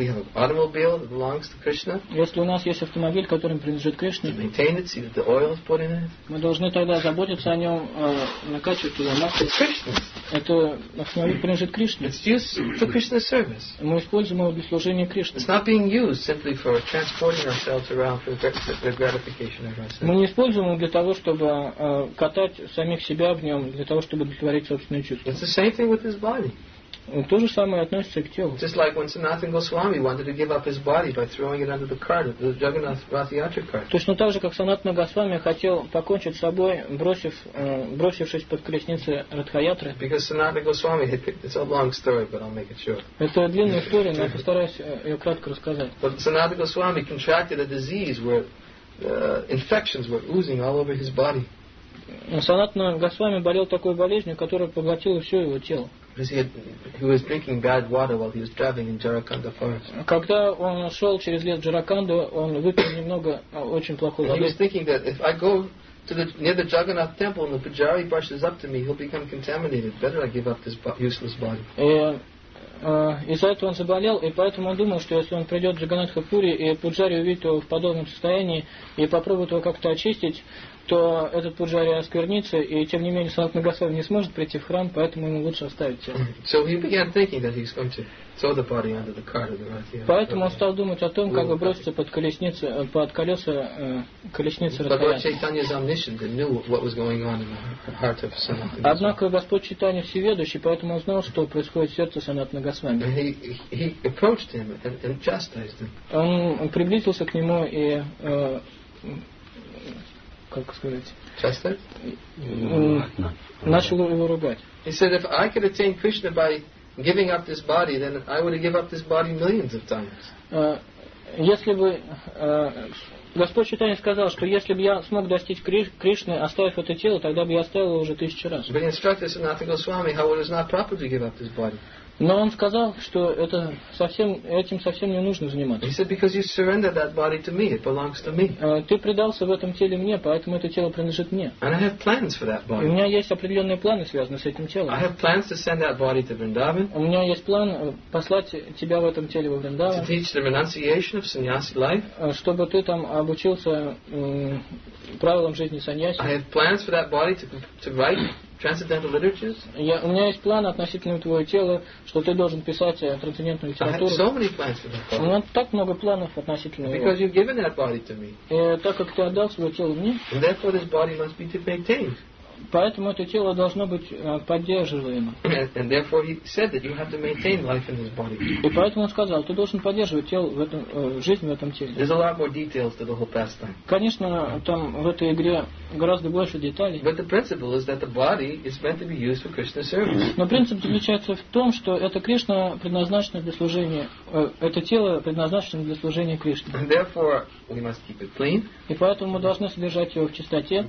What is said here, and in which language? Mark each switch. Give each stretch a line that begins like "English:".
English: If we have an automobile that belongs to Krishna,
Russian: если у нас есть автомобиль, которым принадлежит Кришне,
English: to maintain it, see that the oil is put in it,
Russian: мы должны тогда заботиться о нем, накачивать туда масло. Это автомобиль принадлежит Кришне.
English: It's used for Krishna's service.
Russian: Мы используем его для служения Кришне.
English: It's not being used simply for transporting ourselves around for the gratification of ourselves.
Russian: Мы не используем его для того, чтобы катать самих себя в нем, для того, чтобы удовлетворить собственные чувства.
English: It's the same thing with his body.
Russian: То же самое относится к телу.
English: Just like when Sanatana Goswami wanted to give up his body by throwing it under the cart, the Jagannath Rath Yatra cart.
Russian: Точно так же, как Санатана Госвами хотел покончить с собой, бросившись под колесницы Радхаятры.
English: Because Sanatana Goswami, it's a long story, but I'll make it short.
Russian: Это длинная история, но я постараюсь ее кратко рассказать.
English: But Sanatana Goswami contracted a disease where infections were oozing all over his body.
Russian: Санатана Госвами болел такой болезнью, которая поглотила все его тело.
English: He was drinking bad water while he was traveling in Jarakanda forest.
Russian: Когда он шел через лес Джараканду, он выпил немного очень плохой воды.
English: He was thinking that if I go to the near the Jagannath temple and the pujari brushes up to me, he'll become contaminated. Better I give up this useless body.
Russian: из-за этого он заболел, и поэтому он думал, что если он придет в Джаганатхапури и Пуджари увидит его в подобном состоянии и попробует его как-то очистить, то этот Пуджари осквернится, и тем не менее Санат Нагасава не сможет прийти в храм, поэтому ему лучше оставить тело.
English: So he began thinking that he's going to throw the body under the car.
Russian: Поэтому он стал думать о том, как бы броситься под колесницу, под колеса колесницы Радхаяна. Однако Господь Чайтанья всеведущий, поэтому он знал, что происходит в сердце Санат Нагасавы. Он приблизился к нему и как сказать? Начал его ругать.
English: He said, if I could attain Krishna by giving up this body, then I would give up this body millions of times.
Russian: Если бы Господь Чайтанья сказал, что если бы я смог достичь Кришны, оставив это тело, тогда бы я оставил его уже тысячу раз.
English: But he instructed Sanatana Goswami how it is not proper to give up this body.
Russian: Но он сказал, что это совсем, этим совсем не нужно заниматься.
English: He said, because you surrendered that body to me, it belongs to me.
Russian: Ты предался в этом теле мне, поэтому это тело принадлежит мне.
English: And I have plans for that body.
Russian: У меня есть определенные планы, связанные с этим телом.
English: I have plans to send that body to Vrindavan.
Russian: У меня есть план послать тебя в этом теле во Вриндаван.
English: To teach the renunciation of sannyasi life.
Russian: Чтобы ты там обучился правилам жизни саньяси.
English: I have plans for that body to write. Transcendental literatures.
Russian: Я, у меня есть план относительно твоего тела, что ты должен писать трансцендентную литературу.
English: I have so many plans for that body.
Russian: У меня так много планов относительно
English: Because
Russian: его.
English: Because you've given that body to me.
Russian: И так как ты отдал свое тело мне.
English: And therefore this body must be maintained.
Russian: Поэтому это тело должно быть поддерживаемо.
English: And therefore he said that you have to maintain life in this body.
Russian: И поэтому он сказал, ты должен поддерживать тело в этом, жизнь в этом теле.
English: There's a lot more details to the whole pastime.
Russian: Конечно, там в этой игре гораздо больше деталей.
English: But the principle is that the body is meant to be used for Krishna service.
Russian: Но принцип заключается в том, что это Кришна предназначено для служения, это тело предназначено для служения Кришне.
English: And therefore we must keep it clean.
Russian: И поэтому мы должны содержать его в чистоте.